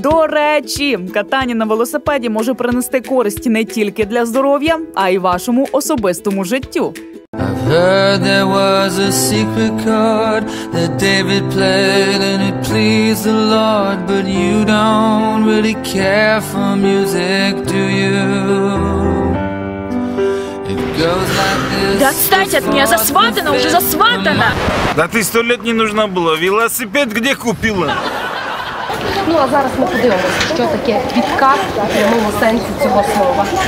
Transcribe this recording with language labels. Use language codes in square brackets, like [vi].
[uk] Речі, катання на велосипеді може принести користь не тільки для здоров'я, а й вашому особистому життю. [en] I've heard there was a secret chord that David played and it pleased the Lord, but you don't really care for music, do you? It goes like this. [ru] Да встать от меня, засватана, уже засватана! Да ты 100 лет не нужна была, велосипед где купила? [uk] Ну, а зараз ми подивимося, що таке відкат в прямому сенсі цього слова.